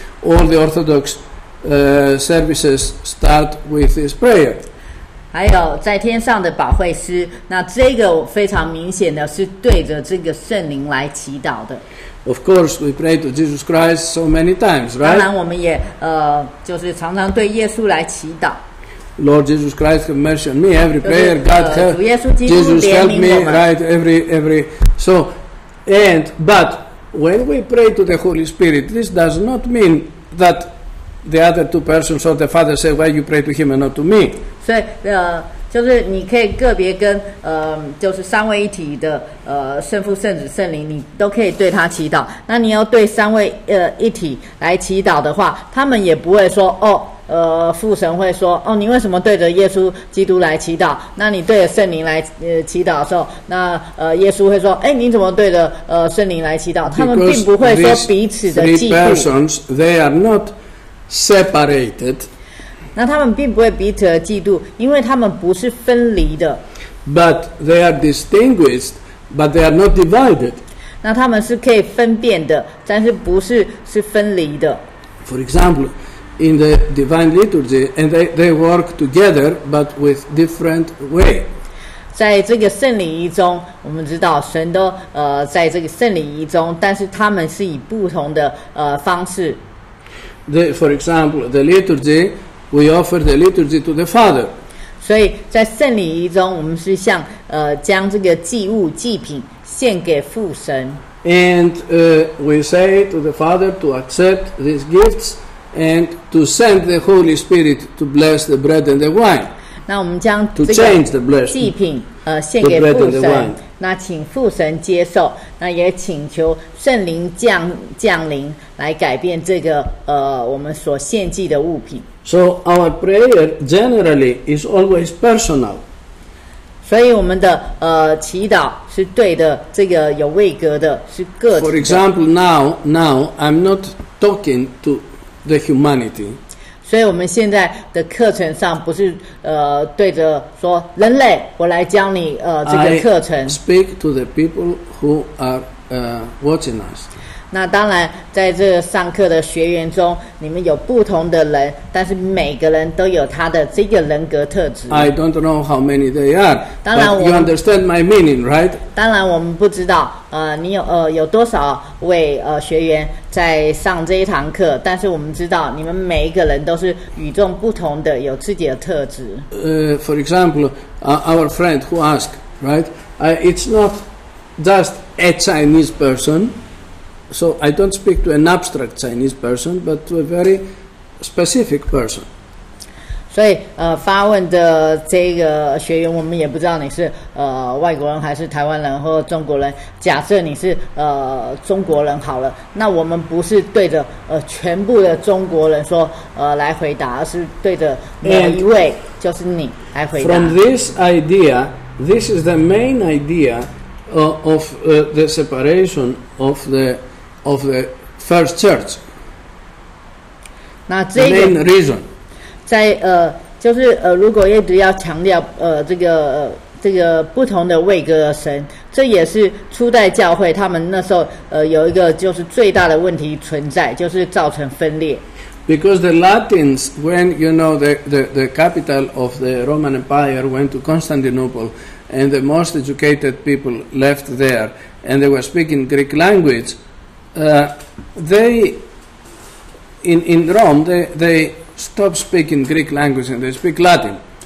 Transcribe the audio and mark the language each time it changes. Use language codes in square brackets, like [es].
[en] All the Orthodox services start with this prayer. [zh] 还有在天上的保惠师，那这个非常明显的是对着这个圣灵来祈祷的。 [en] Of course, we pray to Jesus Christ so many times, right? [zh] 当然，我们也就是常常对耶稣来祈祷。 [en] Lord Jesus Christ, have mercy on me. Every prayer, God help. [zh] 主耶稣基督怜悯我们。 [en] Jesus, help me, right? Every. So, and but when we pray to the Holy Spirit, this does not mean that. The other two persons or the father say, "Why you pray to him and not to me?" [zh] 所以，就是你可以个别跟就是三位一体的圣父、圣子、圣灵，你都可以对他祈祷。那你要对三位一体来祈祷的话，他们也不会说哦，父神会说哦，你为什么对着耶稣基督来祈祷？那你对着圣灵来祈祷的时候，那耶稣会说，哎，你怎么对着圣灵来祈祷？他们并不会说彼此的嫉妒。 [en] Because these three persons, they are not. Separated. [zh] 那他们并不会彼此的嫉妒，因为他们不是分离的。 [en] But they are distinguished, but they are not divided. [zh] 那他们是可以分辨的，但是不是是分离的。 [en] For example, in the divine liturgy, and they work together, but with different way. [zh] 在这个圣礼仪中，我们知道神都在这个圣礼仪中，但是他们是以不同的方式。 [en] For example, the liturgy, we offer the liturgy to the Father. [zh] 所以在圣礼仪中，我们是向将这个祭物祭品献给父神。 [en] And we say to the Father to accept these gifts and to send the Holy Spirit to bless the bread and the wine. [zh] 那我们将这个祭品献给父神，那请父神接受，那也请求圣灵降临来改变这个我们所献祭的物品。 [en] So our prayer generally is always personal. [zh] 所以我们的祈祷是对的，这个有位格的，是个体的。 [en] For example, now I'm not talking to the humanity. [zh] 所以我们现在的课程上不是对着说人类，我来教你这个课程。 [en] I speak to the people who are watching us. [zh] 那当然，在这上课的学员中，你们有不同的人，但是每个人都有他的这个人格特质。 [en] I don't know how many they are. [zh] 当然， [en] you understand my meaning, right? [zh] 当然，我们不知道你有多少位学员在上这一堂课，但是我们知道你们每一个人都是与众不同的，有自己的特质。 [en] For example, our friend who asked, right? It's not just a Chinese person. So I don't speak to an abstract Chinese person, but to a very specific person. [zh] 所以发问的这个学员，我们也不知道你是外国人还是台湾人或中国人。假设你是中国人好了，那我们不是对着全部的中国人说来回答，而是对着每一位就是你来回答。 [en] From this idea, this is the main idea of the separation of the first church. [zh] 那这个 [en] the main reason. [zh] 在如果一直要强调这个这个不同的位格的神，这也是初代教会他们那时候有一个就是最大的问题存在，就是造成分裂。 [en] Because the Latins, when you know the capital of the Roman Empire went to Constantinople, and the most educated people left there, and they were speaking Greek language, they in Rome they stopped speaking Greek language and they speak Latin.